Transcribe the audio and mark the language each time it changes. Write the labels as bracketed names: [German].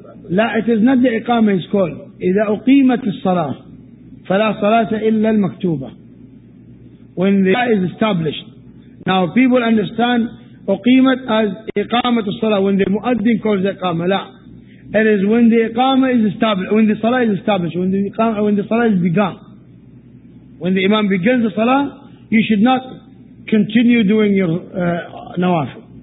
[English] لا, it is not the إقامة is called. [Arabic] إذا أقيمت الصلاة فلا صلاة إلا المكتوبة. [English] When the law is established. Now people understand أقيمت as إقامة الصلاة when the مؤذن calls the إقامة. لا, it is when the إقامة is established, when the صلاة is established, when the إقامة, when the صلاة is begun. When the imam begins the صلاة, you should not continue doing your نوافل.